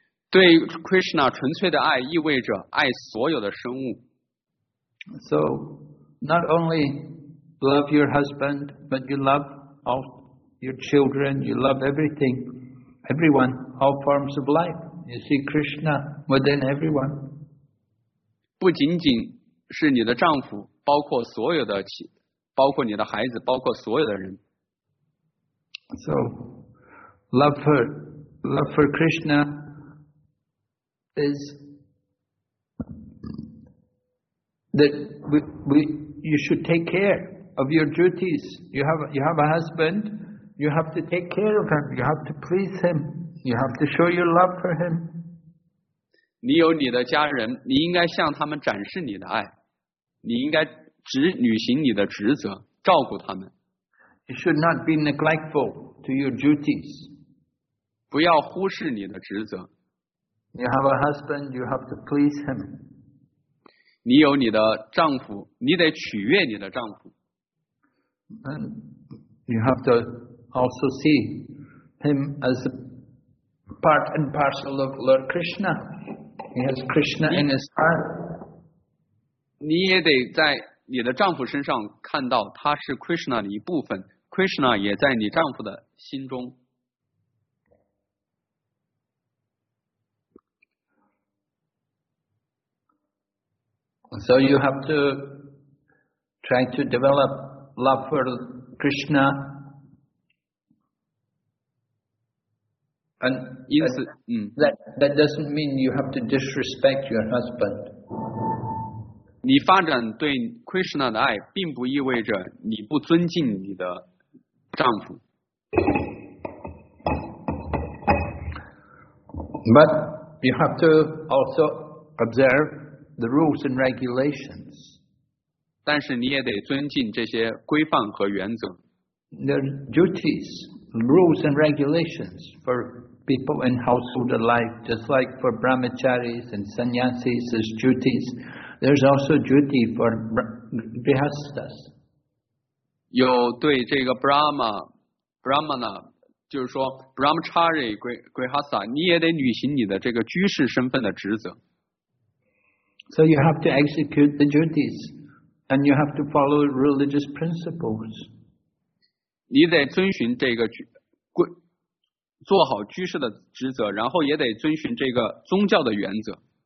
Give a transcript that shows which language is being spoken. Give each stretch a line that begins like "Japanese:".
Chinese: 对 Krishna 纯粹的爱意味着爱所有的生物。
English: So, not only... Love your husband, but you love all your children, you love everything, everyone, all forms of life. You see Krishna within everyone.
Chinese: 不仅仅是你的丈夫，包括所有的，包括你的孩子，包括所有的人。
English: So, love for Krishna is that you should take care. Of your duties, you have a husband. You have to take care of him. You have to please him. You have to show your love for him.
Chinese: 你有你的家人，你应该向他们展示你的爱。你应该履行你的职责，照顾他们。
English: You should not be neglectful to your duties.
Chinese: 不要忽视你的职责。
English: You have a husband. You have to please him.
Chinese: 你有你的丈夫，你得取悦你的丈夫。
English: And you have to also see him as part and parcel of Lord Krishna. He has Krishna in his heart.
Chinese: 你也得在你的丈夫身上看到他是 Krishna 的一部分。 Krishna 也在你丈夫的心中。
English: So you have to try to develop. Love for Krishna, and that doesn't mean you have to disrespect your husband.
Chinese: 你发展对 Krishna 的爱，并不意味着你不尊敬你的丈夫。
English: But you have to also observe the rules and regulations.
Chinese: 但是你也得尊敬这些规范和原则。
English: The duties, rules and regulations for people in household life, just like for brahmacharis and sannyasis as duties, there's also duty for grihasthas.
Chinese: 有对这个 Brahmana 就是说 Brahmachari Grihastha 你也得履行你的这个居士身份的职责。
English: So you have to execute the duties and you have to follow religious principles.
Chinese: 你得遵循这个做好居士的职责，然后也得遵循这个宗教的原则。